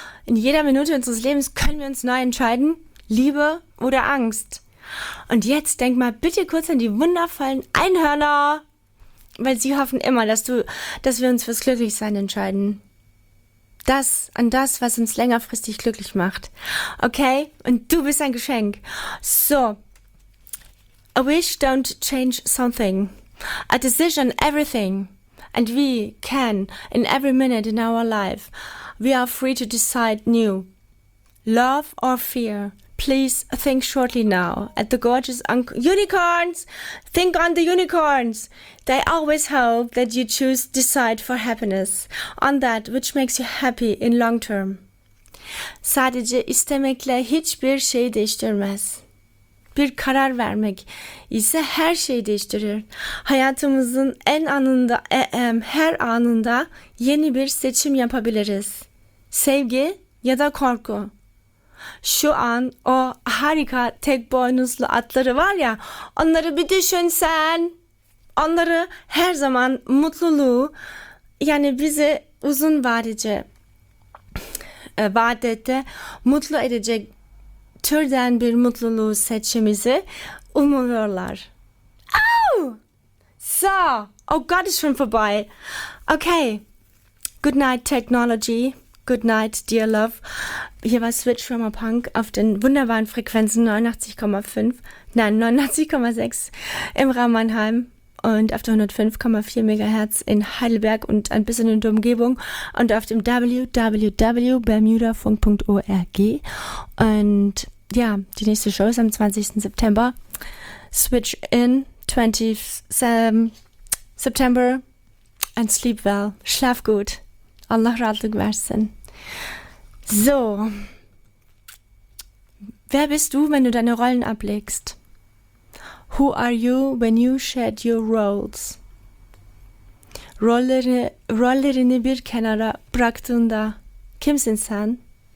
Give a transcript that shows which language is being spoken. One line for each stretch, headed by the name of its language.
German: In jeder Minute unseres Lebens können wir uns neu entscheiden, Liebe oder Angst. Und jetzt denk mal bitte kurz an die wundervollen Einhörner, weil sie hoffen immer, dass wir uns fürs Glücklichsein entscheiden. Das, an das, was uns längerfristig glücklich macht. Okay? Und du bist ein Geschenk. So.
English: A wish don't change something. A decision everything. And we can, in every minute in our life, we are free to decide new. Love or fear, please think shortly now at the gorgeous unicorns. Think on the unicorns. They always hope that you choose decide for happiness, on that which makes you happy in long term.
Turkish: Sadece istemekle hiçbir şey değiştirmez. Bir karar vermek ise her şeyi değiştirir. Hayatımızın en anında, her anında yeni bir seçim yapabiliriz. Sevgi ya da korku. Şu an o harika tek boynuzlu atları var ya, onları bir düşünsen. Onları her zaman mutluluğu, yani bizi uzun vadede, mutlu edecek türden bir mutluluğu seçimizi umuyorlar. Oh!
English: So, oh God, it's from vorbei. Okay, good night technology, good night dear love.
German: Hier war Switch from a Punk auf den wunderbaren Frequenzen 89,6 im Raum Mannheim und auf der 105,4 MHz in Heidelberg und ein bisschen in der Umgebung und auf dem www.bermudafunk.org. Und ja, die nächste Show ist am 20. September.
English: Switch in 20 September and sleep well.
German: Schlaf gut.
Turkish: Allah ratlık versin. So.
German: Wer bist du, wenn du deine Rollen ablegst?
English: Who are you when you shed your roles?
Turkish: Rollerini bir kenara bıraktığında kimsin sen?